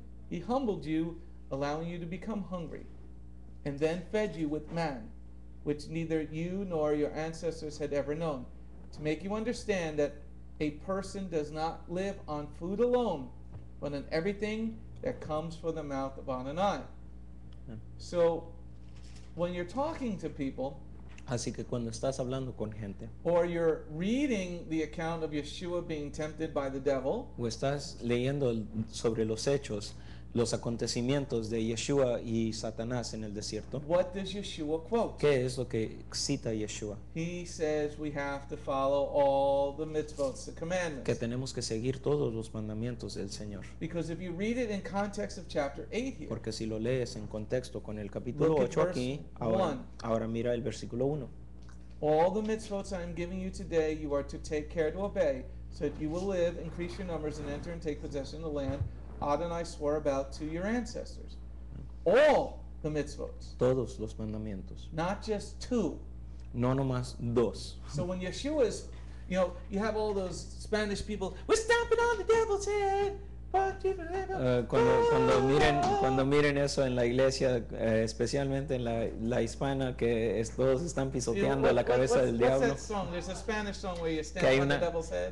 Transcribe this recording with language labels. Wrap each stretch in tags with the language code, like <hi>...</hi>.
<en>He humbled you, allowing you to become hungry, and then fed you with man, which neither you nor your ancestors had ever known, to make you understand that a person does not live on food alone, but on everything that comes from the mouth of Adonai. Yeah. So, when you're talking to people,</en> <es>así que cuando estás hablando con gente,</es> <en>or you're reading the account of Yeshua being tempted by the devil,</en> <es>o estás leyendo sobre los hechos, los acontecimientos de Yeshua y Satanás en el desierto.</es> <en>What does Yeshua quote?</en> <es>¿Qué es lo que cita Yeshua?</es> <en>He says we have to follow all the mitzvot, the commandments.</en> <es>Que tenemos que seguir todos los mandamientos del Señor.</es> <en>Because if you read it in context of chapter 8 here.</en> <es>Porque si lo lees en contexto con el capítulo 8 aquí, ahora mira el versículo 1.</es> <en>All the mitzvot I am giving you today, you are to take care to obey, so that you will live, increase your numbers, and enter and take possession of the land Adonai swore about to your ancestors. All the mitzvot.</en> <es>Todos los mandamientos.</es> <en>Not just two.</en> <es>No nomás dos.</es> <en>So when Yeshua is, you know, you have all those Spanish people, we're stomping on the devil's head.</en> <es>Cuando miren eso en la iglesia, especialmente en la hispana, que todos están pisoteando</es> <en>what,</en> <es>la cabeza del diablo.</es> <en>What's that song? There's a Spanish song where you stand on the devil's head.</en>